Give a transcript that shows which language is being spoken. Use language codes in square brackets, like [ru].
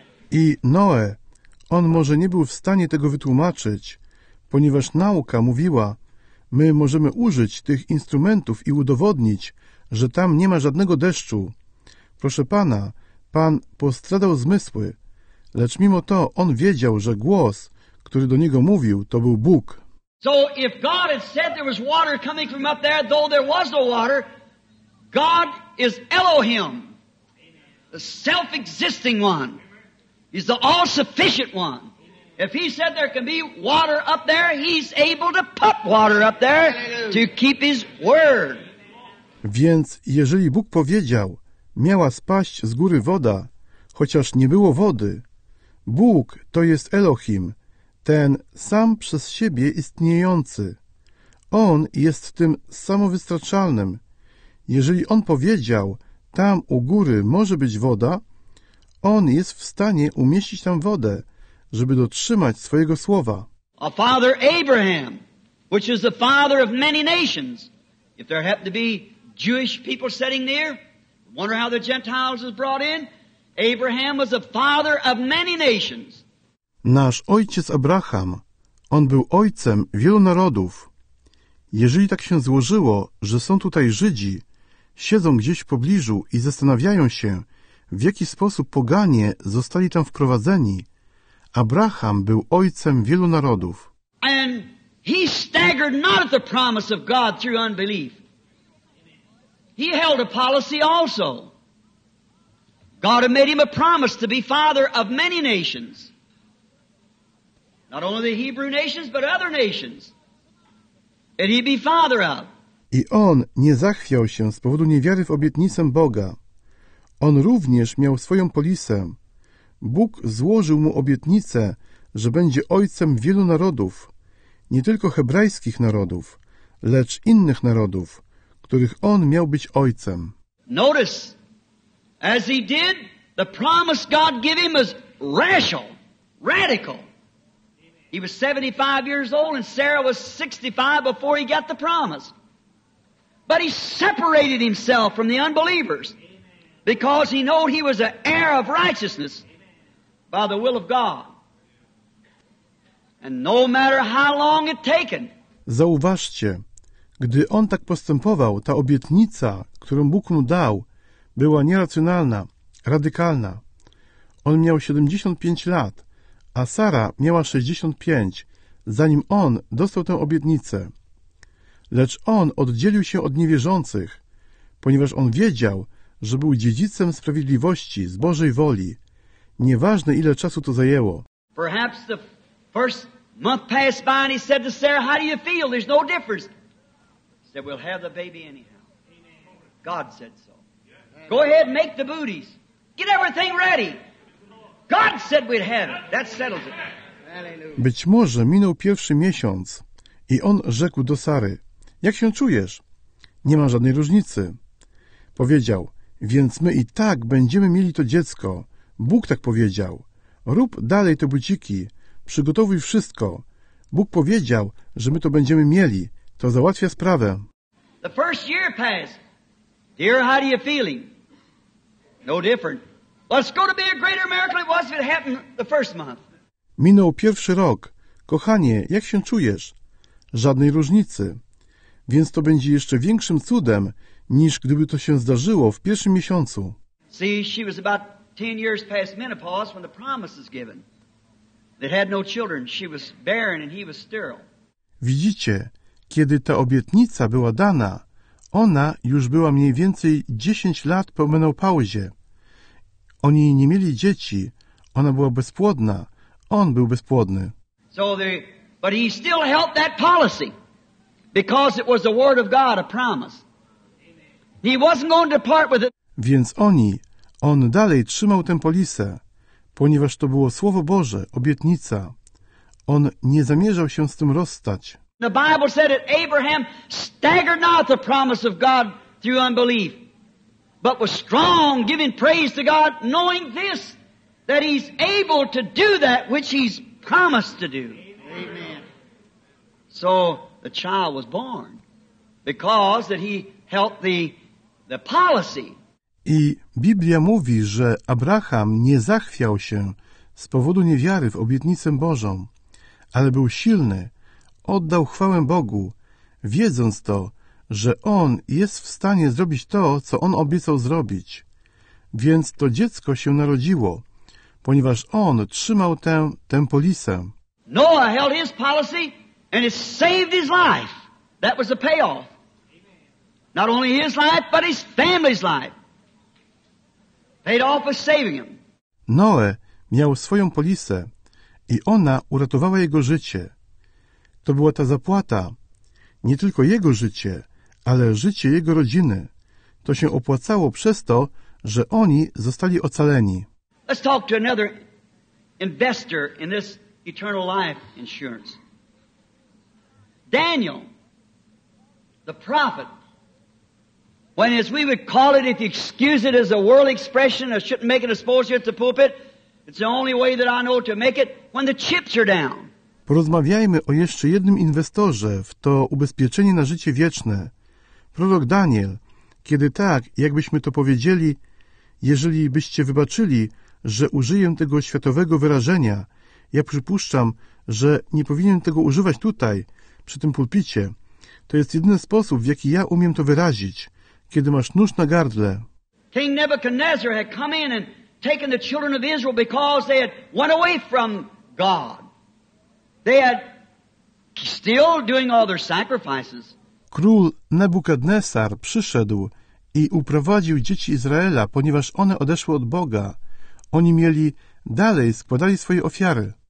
[pl] I Noe, on może nie był w stanie tego wytłumaczyć, ponieważ nauka mówiła, my możemy użyć tych instrumentów i udowodnić, że tam nie ma żadnego deszczu. Proszę pana, pan postradał zmysły, lecz mimo to on wiedział, że głos, który do niego mówił, to był Bóg. [en] So if God had said there was water coming from up there, though there was no water, God is Elohim, the self-existing one. He's the all-sufficient one. If he said there can be water up there, he's able to put water up there to keep his word. [pl] Więc jeżeli Bóg powiedział, miała spaść z góry woda, chociaż nie było wody, Bóg to jest Elohim, ten sam przez siebie istniejący. On jest tym samowystarczalnym. Jeżeli on powiedział, tam u góry może być woda, on jest w stanie umieścić tam wodę, żeby dotrzymać swojego słowa. [en] A father Abraham, which is the father of many nations. If there happened to be Jewish people sitting there, wonder how the Gentiles was brought in. Abraham was the father of many nations. [pl] Nasz ojciec Abraham, on był ojcem wielu narodów. Jeżeli tak się złożyło, że są tutaj Żydzi, siedzą gdzieś w pobliżu i zastanawiają się, w jaki sposób poganie zostali tam wprowadzeni, Abraham był ojcem wielu narodów. [en] And he staggered not at the promise of God through unbelief. He held a policy also. God had made him a promise to be father of many nations. Not only the Hebrew nations, but other nations. And he'd be father of. [pl] I on nie zachwiał się z powodu niewiary w obietnicę Boga. On również miał swoją polisę. Bóg złożył mu obietnicę, że będzie ojcem wielu narodów, nie tylko hebrajskich narodów, lecz innych narodów, których on miał być ojcem. [en] Notice, as he did, the promise God gave him was rational, radical. He was 75 years old and Sarah was 65 before he got the promise. But he separated himself from the unbelievers because he knew he was an heir of righteousness. By the will of God. And no matter how long it taken. [pl] Zauważcie, gdy on tak postępował, ta obietnica, którą Bóg mu dał, była nieracjonalna, radykalna. On miał 75 lat, a Sara miała 65, zanim on dostał tę obietnicę. Lecz on oddzielił się od niewierzących, ponieważ on wiedział, że był dziedzicem sprawiedliwości z Bożej woli. Nieważne, ile czasu to zajęło. [en] Perhaps the first month passed by and he said to Sarah, how do you feel? There's no difference. He said, we'll have the baby anyhow. God said so. Go ahead, make the booties. Get everything ready. God said we'd have it. That settles it. [pl] Być może minął pierwszy miesiąc i on rzekł do Sary, jak się czujesz? Nie ma żadnej różnicy. Powiedział, więc my i tak będziemy mieli to dziecko. Bóg tak powiedział. Rób dalej te buciki. Przygotowuj wszystko. Bóg powiedział, że my to będziemy mieli. To załatwia sprawę. [en] The first year passed. Dear, how do you feeling? No different. Well, it's going to be a greater miracle it was if it happened the first month. [pl] Minął pierwszy rok. Kochanie, jak się czujesz? Żadnej różnicy. Więc to będzie jeszcze większym cudem, niż gdyby to się zdarzyło w pierwszym miesiącu. [en] See, she was about 10 years past menopause when the promise is given. They had no children. She was barren and he was sterile. [pl] Widzicie, kiedy ta obietnica była dana, ona już była mniej więcej 10 lat po menopauzie. Oni nie mieli dzieci. Ona była bezpłodna. On był bezpłodny. [en] But he still held that policy because it was the word of God, a promise. He wasn't going to depart with it. [pl] Więc oni... On dalej trzymał tę polisę, ponieważ to było Słowo Boże, obietnica. On nie zamierzał się z tym rozstać. [en] The Bible said that Abraham staggered not the promise of God through unbelief. but was strong, giving praise to God, knowing this, that he's able to do that which he's promised to do. Amen. So the child was born because that he helped the policy. [pl] I Biblia mówi, że Abraham nie zachwiał się z powodu niewiary w obietnicę Bożą, ale był silny, oddał chwałę Bogu, wiedząc to, że on jest w stanie zrobić to, co on obiecał zrobić. Więc to dziecko się narodziło, ponieważ on trzymał tę polisę. [en] Noah held his policy and it saved his life. That was the payoff. Not only his life, but his family's life. Paid off for saving him. [pl] Noe miał swoją polisę i ona uratowała jego życie. To była ta zapłata. Nie tylko jego życie, ale życie jego rodziny. To się opłacało przez to, że oni zostali ocaleni. [en] Let's talk to another investor in this eternal life insurance. Daniel, the prophet. When, as we would call it, if you excuse it as a world expression, I shouldn't make it a sports here at the pulpit, it's the only way that I know to make it, when the chips are down. [pl] Porozmawiajmy o jeszcze jednym inwestorze w to ubezpieczenie na życie wieczne. Prorok Daniel, kiedy tak, jakbyśmy to powiedzieli, jeżeli byście wybaczyli, że użyję tego światowego wyrażenia, ja przypuszczam, że nie powinien tego używać tutaj, przy tym pulpicie. To jest jedyny sposób, w jaki ja umiem to wyrazić. Kiedy masz nóż na gardle. [en] King Nebuchadnezzar had come in and taken the children of Israel because they had went away from God. They had still doing all their sacrifices. [pl] Król Nebukadnesar przyszedł i uprowadził dzieci Izraela, ponieważ one odeszły od Boga. Oni mieli dalej składali swoje ofiary.